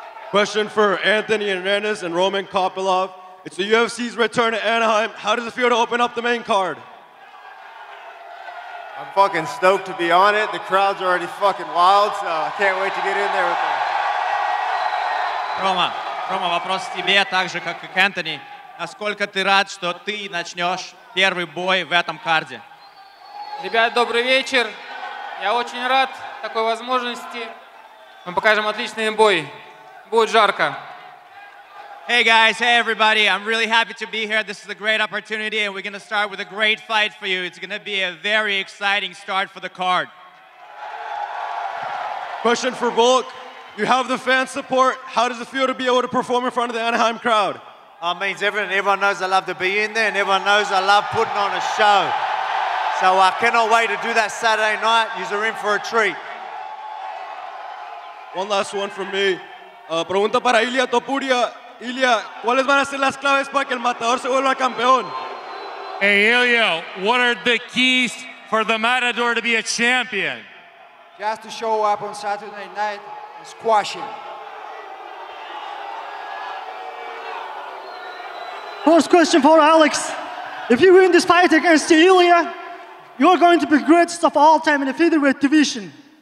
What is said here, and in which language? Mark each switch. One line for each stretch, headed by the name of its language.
English: Question for Anthony Hernandez and Roman Kopylov. It's the UFC's return to Anaheim. How does it feel to open up the main card? I'm fucking stoked to be on it. The crowd's already fucking wild, so I can't wait to get in there with them.
Russian: Roma, Roma, вопрос тебе, так же, как и к Anthony. Насколько ты рад, что ты начнешь первый бой в этом карде? Ребят, добрый вечер. Я очень рад такой возможности. Мы покажем отличный бой. Будет жарко.
English: Hey guys, hey everybody. I'm really happy to be here. This is a great opportunity and we're going to start with a great fight for you. It's going to be a very exciting start for the card. Question for Volk. You have the fan support. How does it feel to be able to perform in front of the Anaheim crowd? It means everyone knows I love to be in there and everyone knows I love putting on a show. So I cannot wait to do that Saturday night. You're in for a treat. One last one from me.
Spanish: Pregunta para Ilia Topuria. Ilia, ¿cuáles van a ser las claves para que el matador se vuelva campeón?
English: Hey, Ilia, what are the keys for the matador to be a champion? He has to show up on Saturday night and squash him. First question for Alex. If you win this fight against Ilia, you're going to be greatest of all time in the featherweight division.